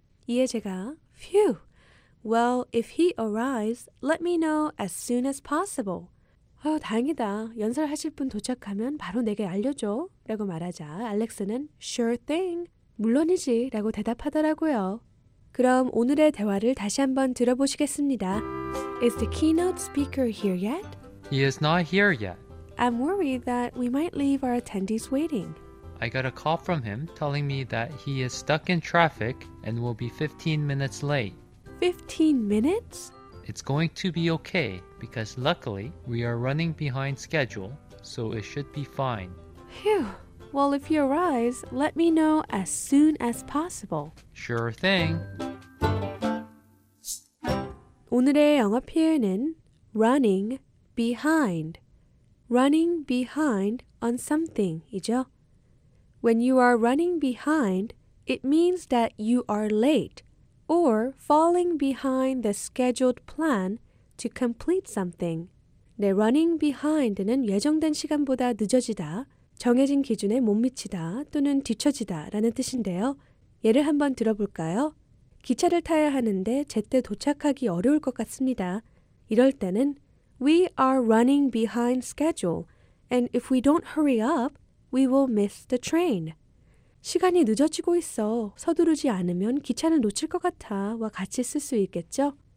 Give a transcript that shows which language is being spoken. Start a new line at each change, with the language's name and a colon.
English: 이에 제가 Phew! Well, if he arrives, let me know as soon as possible.
Korean: 아, 다행이다. 연설하실 분 도착하면 바로 내게 알려줘 라고 말하자 알렉스는
English: Sure thing!
Korean: 물론이지 라고 대답하더라고요. 그럼 오늘의 대화를 다시 한번 들어보시겠습니다.
English: Is the keynote speaker here yet? He is not here yet. I'm worried that we might leave our attendees waiting. I got a call from him telling me that he is stuck in traffic and will be 15 minutes late. 15 minutes? It's going to be okay because luckily we are running behind schedule, so it should be fine. Phew. Well, if he arrives, let me know as soon as possible. Sure thing.
Korean: 오늘의 영어 표현은 running behind.
English: Running behind on something
Korean: 이죠.
English: When you are running behind, it means that you are late or falling behind the scheduled plan to complete something.
Korean: 네, running behind는 예정된 시간보다 늦어지다, 정해진 기준에 못 미치다 또는 뒤처지다 라는 뜻인데요. 예를 한번 들어볼까요? 기차를 타야 하는데 제때 도착하기 어려울 것 같습니다.
English: 이럴 때는 We are running behind schedule and if we don't hurry up, we will miss the train.
Korean: 시간이 늦어지고 있어 서두르지 않으면 기차를 놓칠 것 같아 와 같이 쓸 수 있겠죠?